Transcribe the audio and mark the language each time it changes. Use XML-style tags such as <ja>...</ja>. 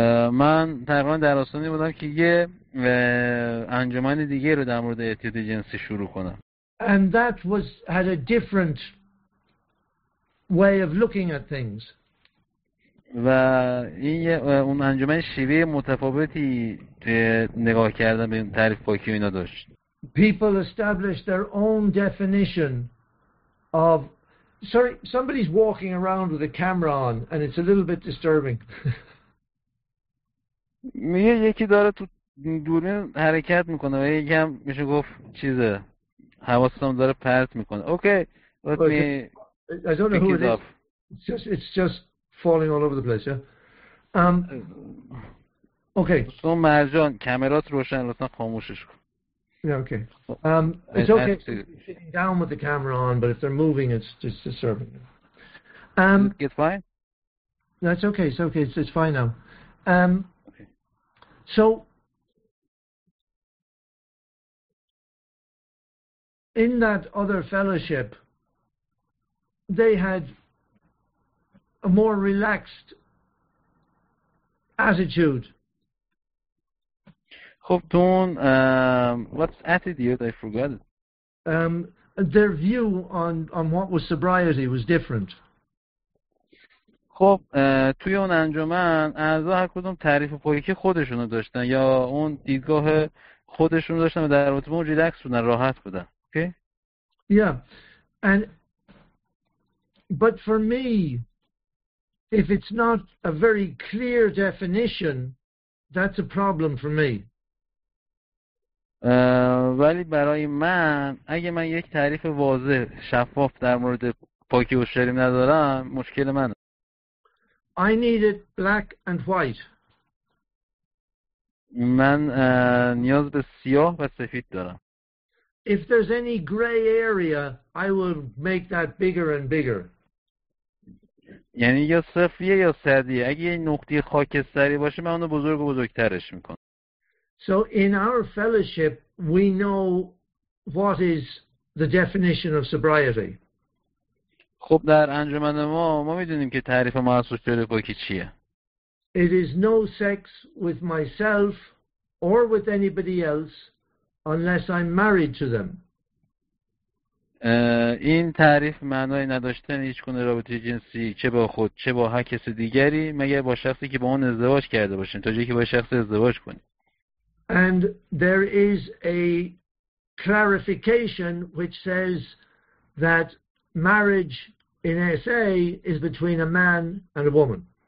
<fa>من تقریبا در آستانه بودم که یه انجمن دیگه رو در مورد اعتیاد جنسی شروع کنم.</fa> <en>And that was had a different way of looking at things.</en> <fa>و این اون انجمن شیوه متفاوتی توی نگاه کردن به تعریف پاکی اینا داشت.</fa> <en>People established their own definition of sorry, somebody's walking around with a camera on and it's a little bit disturbing.</en> <fa>میگه یکی داره تو دوربین حرکت میکنه و یکی هم میشه گفت چیزه حواسم داره پرت میکنه.</fa> <en>Okay let me I don't know who it is. It's just falling all over the place. Okay.</en> <fa>تو مرجان کامرات روشن لطفا خاموشش کن.</fa> <en>Yeah, okay. It's okay if you're sitting down with the camera on, but if they're moving, it's disturbing. It's fine? No, it's okay. It's fine now. Okay. So, in that other fellowship, they had a more relaxed attitude.</en> <fa>خب تو اون</fa> <en>what's attitude I forgot it. Their view on what was sobriety was different.</en> <fa>خب توی اون انجمن اعضا هر کدوم تعریف پاکی خودشون رو داشتن یا اون دیدگاه خودشون داشتن و در رابطه با اون ریلکس بودن، راحت بودن.</fa> <en>Okay? Yeah. But for me, if it's not a very clear definition, that's a problem for me.</en> <fa>ولی برای من اگه من یک تعریف واضح شفاف در مورد پاکی و شریم ندارم مشکل من</fa> <en>I need it black and white.</en> <fa>من نیاز به سیاه و سفید دارم.</fa> <en>If there's any gray area, I will make that bigger and bigger.</en> <fa>یعنی یا صفریه یا سردیه، اگه یه نقطه خاکستری باشه من اونو بزرگ و بزرگترش میکنم.</fa> <en>So in our fellowship, we know what is the definition of sobriety.</en> <fa>خب در انجمن ما میدونیم که تعریف ما از سوشیال پاکی چیه.</fa> <en>It is no sex with myself or with anybody else unless I'm married to them.</en> <fa>این تعریف معنای نداشتن هیچ گونه رابطه جنسی چه با خود چه با هر کس دیگری مگر با شخصی که با اون ازدواج کرده باشین تا جایی که با شخص ازدواج کنید.</fa> <en>And there is a clarification which says that marriage in SA is between a man and a woman.</en>